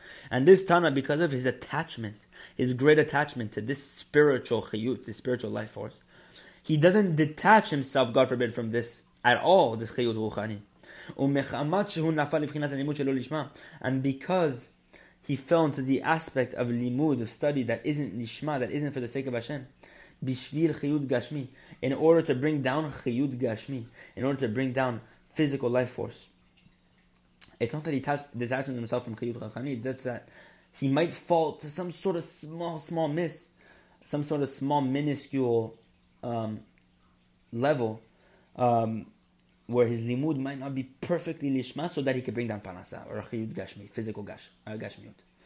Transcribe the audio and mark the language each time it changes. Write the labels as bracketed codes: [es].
[en] And this Tana, because of his attachment, his great attachment to this spiritual chiyut, this spiritual life force, he doesn't detach himself, God forbid, from this at all, this chiyut ruchani. [he] ומחמת שהוא נפל לבחינת הלימוד שלא לשמה. [en] And because he fell into the aspect of limud, of study, that isn't nishma, that isn't for the sake of Hashem. Bishvil chiyut gashmi. In order to bring down chiyut gashmi, in order to bring down physical life force. It's not that he detaches himself from chiyut ruchani, it's just that he might fall to some sort of small miss, some sort of small, minuscule level, where his limud might not be perfectly lishma, so that he could bring down panasa or chiyut gashmi, physical gashmiut.